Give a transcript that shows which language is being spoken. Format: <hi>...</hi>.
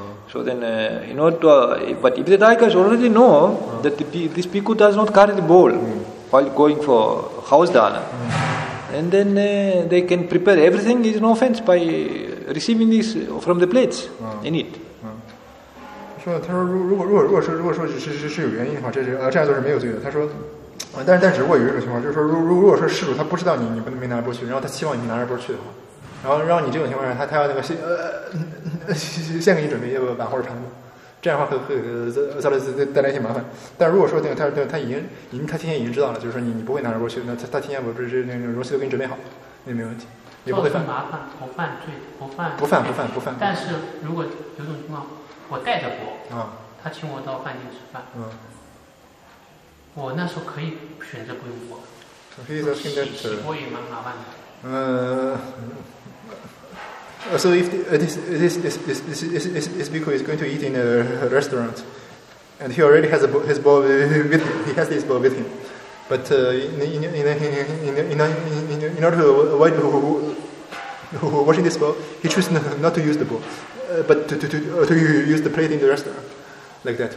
<en>So then, in order to, but if the daikas already know that this bhikkhu does not carry the bowl while going for house dana, and then they can prepare everything, is no offense by receiving this from the plates in it.</en> <zh>说他说如果说是有原因的话，这样做是没有罪的。他说但只不过有一种情况，就是说如果说事主他不知道你没拿着波去，然后他期望你拿着波去的话，然后你这种情况下他要那个先给你准备一个碗或者盘子，这样的话会带来一些麻烦。但如果说他提前已经知道了，就是说你不会拿着波去，那他提前不是那个容器都给你准备好，那没问题，也不会犯麻烦，不犯罪，不犯。但是如果有种情况，我带着钵，他请我到饭店吃饭，我那时候可以选择不用钵，洗钵也蛮麻烦的。</zh> <en>So if this bhikkhu is going to eat in a restaurant, and he already has his bowl with him, but in order to avoid washing this bowl, he chooses not to use the bowl, but to use the plate in the restaurant, like that.</en>